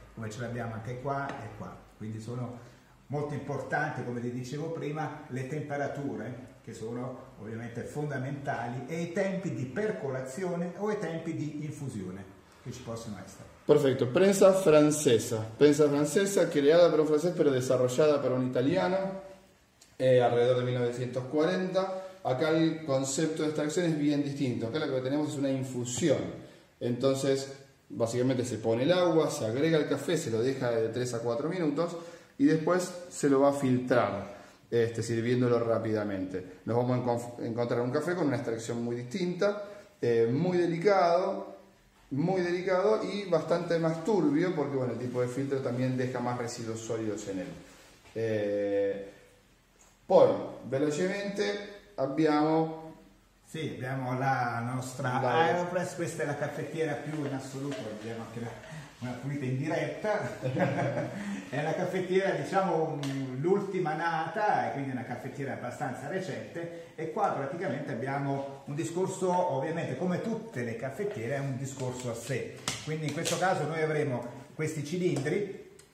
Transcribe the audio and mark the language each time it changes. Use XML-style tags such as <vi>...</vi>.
<it>Come ce l'abbiamo anche qua e qua. Quindi sono molto importanti, come vi dicevo prima, le temperature, che sono ovviamente fondamentali, e i tempi di percolazione o i tempi di infusione che ci possono essere. Perfetto. Prensa francese. Prensa francese, creata per un francese, però sviluppata per un italiano, è</it> <es>alrededor del</es> <it>1940.</it> <es>Acá el concepto de extracción es bien distinto. Acá lo que tenemos es una infusión. Entonces, básicamente se pone el agua, se agrega el café, se lo deja de 3 a 4 minutos y después se lo va a filtrar, sirviéndolo rápidamente. Nos vamos a encontrar un café con una extracción muy distinta, muy delicado y bastante más turbio porque bueno, el tipo de filtro también deja más residuos sólidos en él.</es> <it>Poi, velocemente, abbiamo sì, abbiamo la nostra Aeropress, questa è la caffettiera più in assoluto, abbiamo anche una pulita in diretta, è la caffettiera diciamo l'ultima nata e quindi una caffettiera abbastanza recente e qua praticamente abbiamo un discorso, ovviamente come tutte le caffettiere è un discorso a sé, quindi in questo caso noi avremo questi cilindri</it>